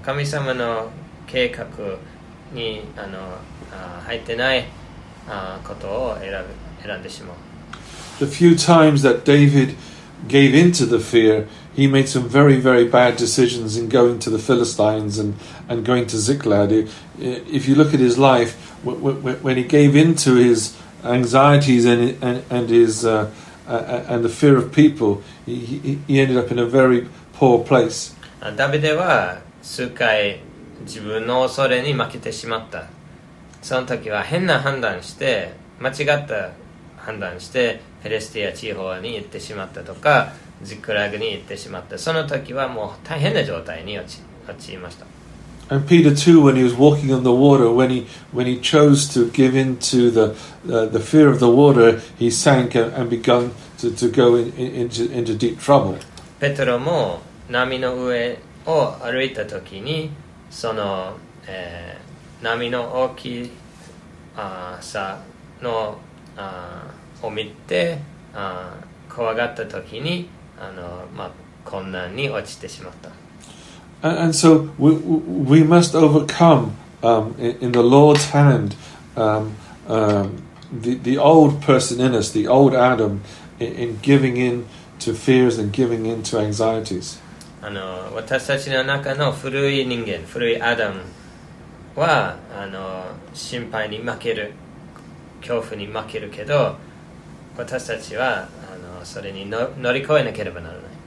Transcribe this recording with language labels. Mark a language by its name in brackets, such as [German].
[Japanese] 神様の計画に入ってないことを選んでしまう。 [English] The few times that David gave into the fear, he made some very, very bad decisions in going to the Philistines and going to Ziklag. If you look at his life, when he gave into his anxieties and the fear of people, he ended up in a very poor place. [Japanese] ダビデは数回自分の恐れに負けてしまった。その時は変な判断して、間違った判断して、ペレスティア地方に行ってしまったとか、ジクラグに行ってしまった。その時はもう大変な状態に陥りました。 [English] And Peter too, when he was walking on the water, when he chose to give in to the fear of the water, he sank and began to go into deep trouble. [Japanese] ペトロも波の上を歩いた時に、その、波の大きさの、を見て怖がった時にまあ、困難に落ちてしまった。 [English] And so we must overcome in the Lord's hand the old person in us, the old Adam, in giving in to fears and giving in to anxieties. [Japanese] 私たちの中の古い人間、古いアダムは心配に負ける、恐怖に負けるけど、私たちはそれに乗り越えなければならない。